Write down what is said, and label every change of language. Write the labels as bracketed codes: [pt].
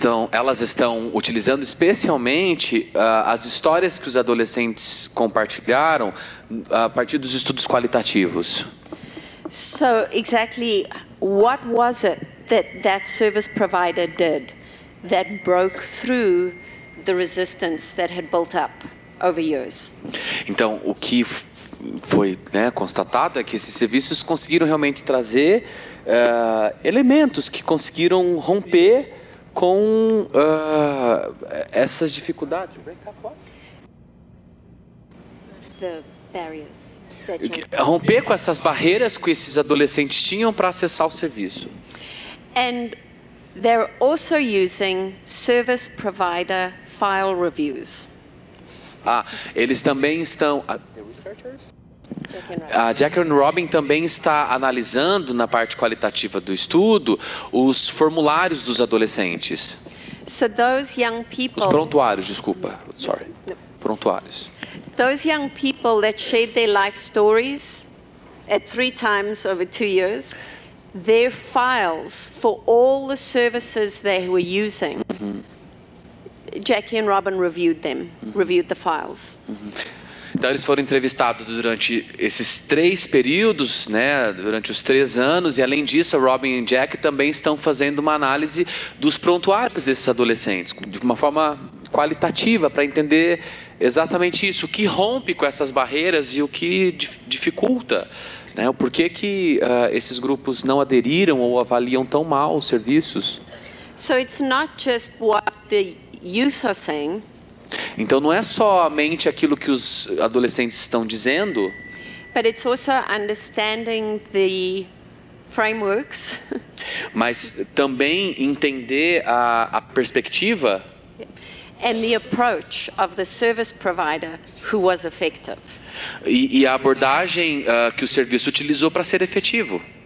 [pt] Elas estão utilizando especialmente as histórias que os adolescentes compartilharam a partir dos estudos qualitativos. [en] So exactly, what was it that that service provider did that broke through the resistance that had built up over years? [pt] Então, o que foi, né, constatado é que esses serviços conseguiram realmente trazer elementos que conseguiram romper com essas dificuldades. [en] The barriers. [pt] Romper com essas barreiras que esses adolescentes tinham para acessar o serviço. [en] And they're also using service provider file reviews. [pt] Ah, eles também estão. A Jack and Robin também está analisando na parte qualitativa do estudo os formulários dos adolescentes. [en] So those young people. [pt] Os prontuários, desculpa, [en] sorry. [pt] Prontuários. [en] Those young people that shared their life stories at three times over 2 years, their files for all the services they were using, Jackie and Robin reviewed them, reviewed the files. [pt] Então eles foram entrevistados durante esses três períodos, né, durante os três anos, e além disso, a Robin e Jack também estão fazendo uma análise dos prontuários desses adolescentes, de uma forma qualitativa, para entender exatamente isso, o que rompe com essas barreiras e o que dificulta, né, o porquê que esses grupos não aderiram ou avaliam tão mal os serviços. [en] So it's not just what the youth are saying. [pt] Então não é somente aquilo que os adolescentes estão dizendo, [en] but it's also understanding the frameworks. [pt] Mas também entender a perspectiva. [en] And the approach of the service provider who was effective. [pt] E a abordagem que o serviço utilizou para ser efetivo.